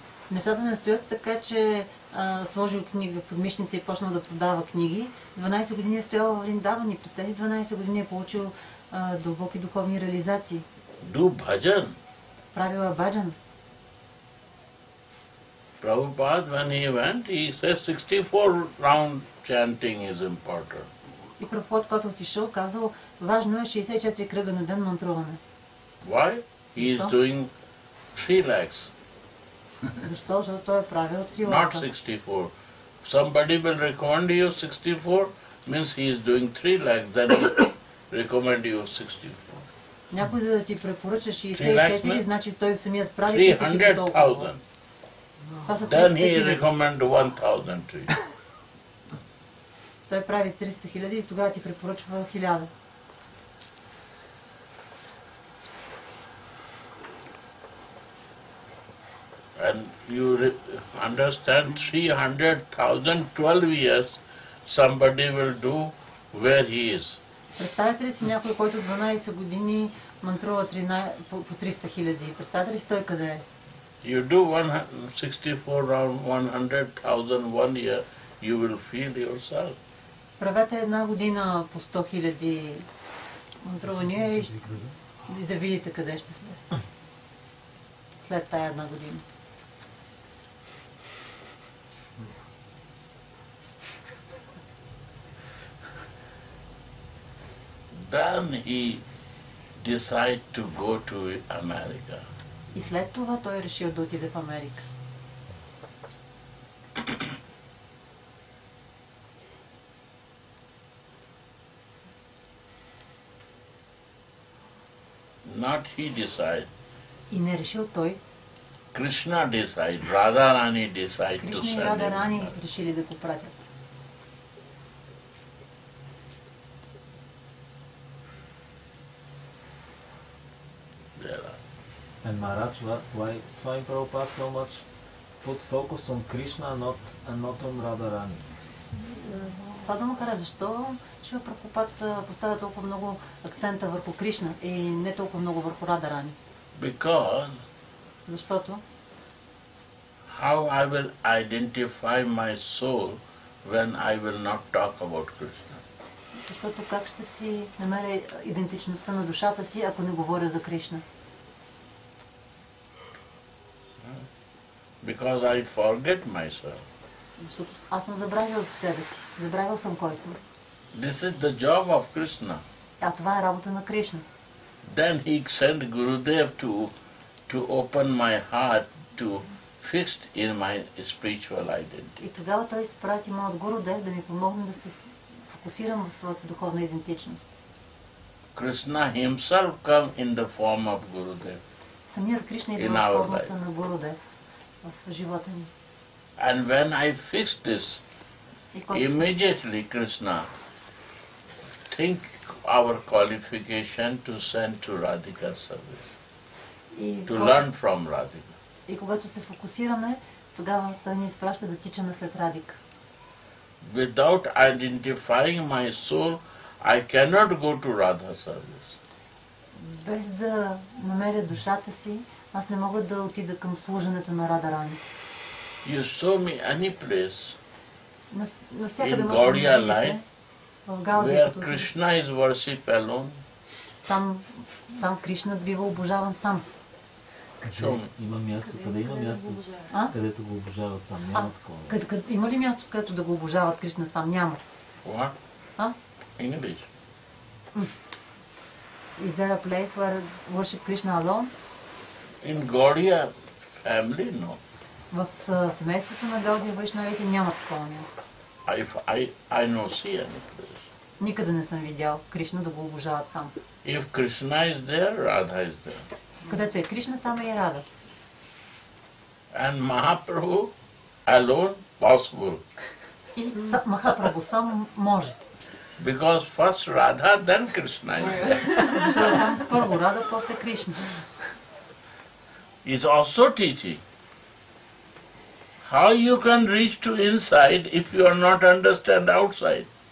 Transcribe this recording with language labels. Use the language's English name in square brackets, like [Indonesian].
[Bulgarian] Нещата не стоят така, че сложил книга в подмишница и почнал да продава книги. 12 години е стоял в Вриндаван и през тези 12 години е получил дълбоки духовни реализации. [English] Do bhajan. [Bulgarian] Правила bhajan. [English] Prabhupada, when he went, he says 64 round chanting is important. [Bulgarian] И Прабхупада, когато отишъл, казал, важно е 64 кръга на ден мантруване. [English] Why? He is doing 3 legs. [Bulgarian] Защо? Защото той е правил 3 лака. [English] Not 64. Somebody will recommend you 64, means he is doing 3 legs, then he recommend you 64. [Bulgarian] Някой за да ти препоръча 64, значи той самият прави 300,000. [English] Then he recommend 1,000 to you. [Bulgarian] Той прави 300 хиляди и тогава ти препоръчва 1000. [English] And you understand 300,000 12 years somebody will do where he is. [Bulgarian] Представете ли си някой, който 12 години мантрува по 300 хиляди? Представете ли си той къде е? [English] You do 164 round 100,000 one year, you will feel yourself. [Bulgarian] Правете една година по 100 хиляди мантрувания и да видите къде ще сте. След тая една година. [English] Then he decided to go to America. [Bulgarian] И след това той решил да отиде в Америка. [English] Not he decided. [Bulgarian] И не решил той. [English] Krishna decided. Radharani decided to send him. [Bulgarian] Кришна и Радарани решили да го пратят. [English] And Maharaj, why Swami Prabhupada so much put focus on Krishna and not on Radharani? [Bulgarian] Sadhu Maharaj, защо Шива Прабхупада поставя толкова много акцента върху Кришна и не толкова много върху Радарани? [English] Because. [Bulgarian] Защото. [English] How I will identify my soul when I will not talk about Krishna? [Bulgarian] Защото как ще си намеря идентичността на душата си, ако не говоря за Кришна? [English] Because I forget myself. [Bulgarian] Защото аз съм забравил за себе си. Забравил съм кой съм. [English] This is the job of Krishna. [Bulgarian] А това е работа на Кришна. [English] Then he sent Gurudev to open my heart to fix in my spiritual identity. [Bulgarian] И тогава той изпрати моят Гурудев да ми помогне да се фокусирам в своята духовна идентичност. [English] Krishna himself come in the form of Gurudev. [Bulgarian] Самият Кришна идва в формата на Гурудев. [English] And when I fix this, immediately Krishna think our qualification to send to Radhika service, to learn from Radhika. [Bulgarian] И когато се фокусираме, тогава той ни изпраща да тичаме след Радика. [English] Without identifying my soul, I cannot go to Radha service. [Bulgarian] Без да намеря душата си, аз не мога да отида към служенето на Радарани. [English] You saw me any place. [Bulgarian] На всякъде може да видите. Line, в Гаудия, [English] where Krishna is worship alone. [Bulgarian] Там Кришна бива обожаван сам. Къде има място, където го обожават сам? Няма такова. Има ли място, където да го обожават Кришна сам? Няма. [English] English. Is there a place where worship Krishna alone? In Gaudiya family, no. [Bulgarian] В семейството на Гаудия Вайшнавите няма такова място. [English] I no see any place. [Bulgarian] Никъде не съм видял Кришна да го обожават сам. [English] If Krishna is there, Radha is there. [Bulgarian] Където е Кришна, там е и Рада. [English] And Mahaprabhu alone possible. [Bulgarian] И Махапрабху сам може. [English] Because first Radha, then Krishna is there. [Bulgarian] Защото там първо Рада, после Кришна. [English] Is also teaching. How you can reach to inside if you are not understand outside?